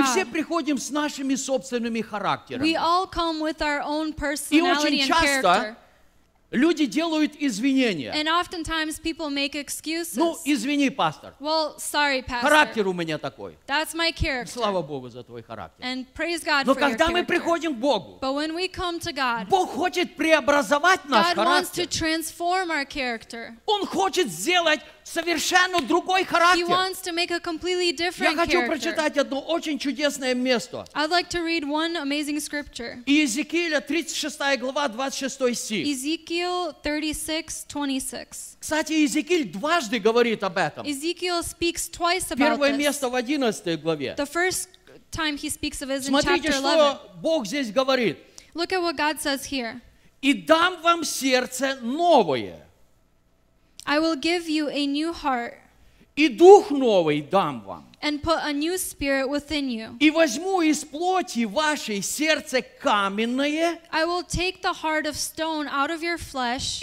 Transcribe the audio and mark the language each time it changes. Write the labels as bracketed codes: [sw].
[ru] мы все приходим с нашими собственными характерами. [en] We all come with our own personality and character. [ru] И очень часто люди делают извинения. [en] And oftentimes people make excuses. [ru] Ну, извини, пастор. [en] Well, sorry, pastor. [ru] Характер у меня такой. [en] That's my character. [ru] Слава Богу за твой характер. [en] And praise God [ru] Но [en] for [ru] когда [en] your [ru] мы приходим к Богу, [en] but when we come to God, [ru] Бог хочет преобразовать наш характер. [en] Wants to transform our character. [ru] Он хочет сделать совершенно другой характер. [en] He wants to make a completely different [ru] Я хочу [en] character. [ru] Прочитать одно очень чудесное место. [en] I'd like to read one amazing scripture. [ru] Иезекииля, 36 глава, 26 стих. [en] Ezekiel 36:26. [ru] Кстати, Иезекииль дважды говорит об этом. [en] Ezekiel speaks twice about [ru] Первое [en] this. [ru] Место в 11 главе. [en] The first time he speaks of it is in [ru] Смотрите, [en] chapter 11. [ru] Смотрите, что Бог здесь говорит. [en] Look at what God says here. [ru] И дам вам сердце новое. [en] I will give you a new heart. [ru] И дух новый дам вам. [en] And put a new spirit within you. [ru] И возьму из плоти вашей сердце каменное. [en] I will take the heart of stone out of your flesh.